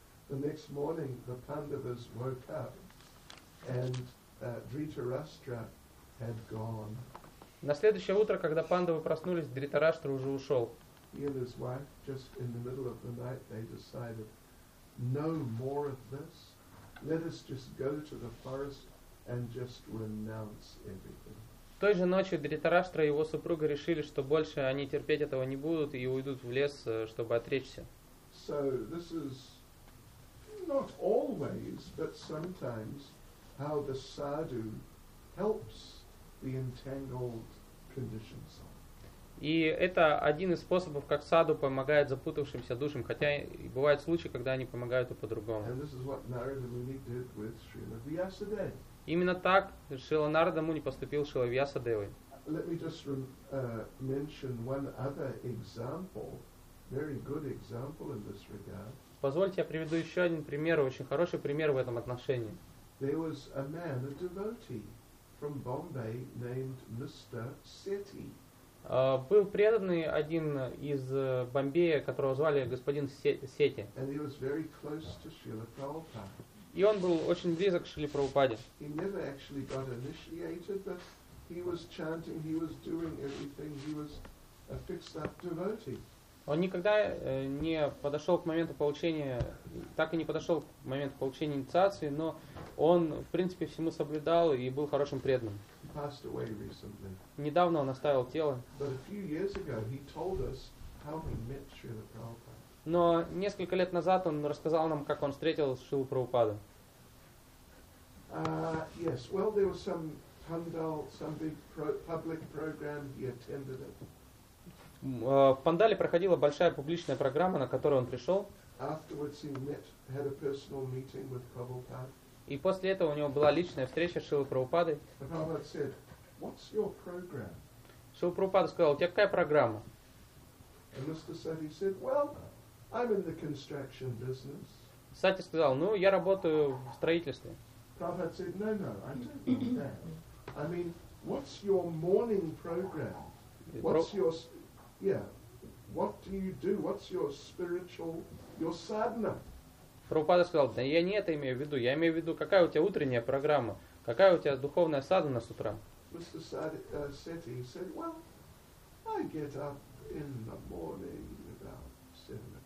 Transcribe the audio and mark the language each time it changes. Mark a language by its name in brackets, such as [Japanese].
[English] The next morning, the Pandavas woke up, and Dhritarashtra had gone. [Russian] На следующее утро, когда пандавы проснулись, Дхритараштра уже ушел. [English] He and his wife, just in the middle of the night, they decided, no more of this. Let us just go to the forest and just renounce everything. [Russian] Той же ночью Дхритараштра и его супруга решили, что больше они терпеть этого не будут и уйдут в лес, чтобы отречься. [English] So this is not always, but sometimes how the sadhu helps the entangled conditions. [Russian] И это один из способов, как саду помогает запутавшимся душам, хотя и бывают случаи, когда они помогают и по-другому. [English] And this is what Narada Muni did with Srila Vyasadeva. [Russian] Именно так Шрила Нарада Муни поступил с Шрила Вьясадевой. [English] Let me just mention one other example, very good example in this regard. [Russian] Позвольте, я приведу еще один пример, очень хороший пример в этом отношении. [English] There was a man, a devotee from Bombay named Mr. Seti. [Russian] Был преданный один из Бомбея, которого звали господин Сети. [English] And he was very close to Srila Prabhupada. [Russian] И он был очень близок к Шриле Прабхупаде. [English] He never actually got initiated, but he was chanting, he was doing everything, he was a fixed up devotee. [Russian] Он никогда не подошел к моменту получения, так и не подошел к моменту получения инициации, но он, в принципе, всему соблюдал и был хорошим преданным. [English] He passed away recently. [Russian] Недавно он оставил тело. [English] But a few years ago he told us how he met Srila Prabhupada. [Russian] Но несколько лет назад он рассказал нам, как он встретил Шрилу Прабхупаду. [English] Yes, well, there was some Pandal, some big public program, he attended it. [Russian] В Пандале проходила большая публичная программа, на которую он пришел. [English] Afterwards he met, had a personal meeting with Prabhupada. [Russian] И после этого у него была личная встреча с Шрилой Прабхупадой. [English] And Prabhupada said, what's your program? [Russian] Шрила Прабхупада сказал, у тебя какая программа? [English] And Mr. Seti said, well, I'm in the construction business. [Russian] Сати сказал, ну, я работаю в строительстве. [English] Prabhupada said, no, no, I don't mean that. I mean, what's your morning program? What's your, yeah, what do you do? What's your spiritual, your sadhana? [Russian] Прабхупада сказал, да я не это имею в виду. Я имею в виду, какая у тебя утренняя программа? Какая у тебя духовная садхана с утра? [English] Mr. Seti said, well, I get up in the morning about 7.